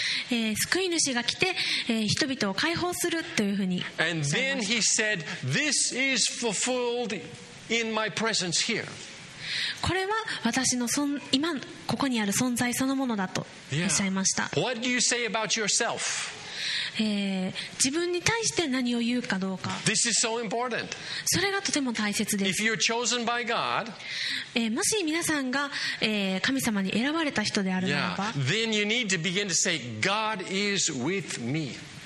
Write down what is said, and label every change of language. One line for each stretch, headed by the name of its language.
Japanese: 救い主が来て、人々を解放するというふうに。
English: And then he said, "This is fulfilled in my presence here."
Japanese: これは私の今ここにある存在そのものだとおっしゃいました。
English: Yeah. What do you say about yourself?
Japanese: 自分に対して何を言うかどうか。
English: This is so important.
Japanese: それがとても大切です。
English: If you're chosen by God,
Japanese: もし皆さんが、神様に選ばれた人であるならば、 yeah.
English: then you need to begin to say, God is with me.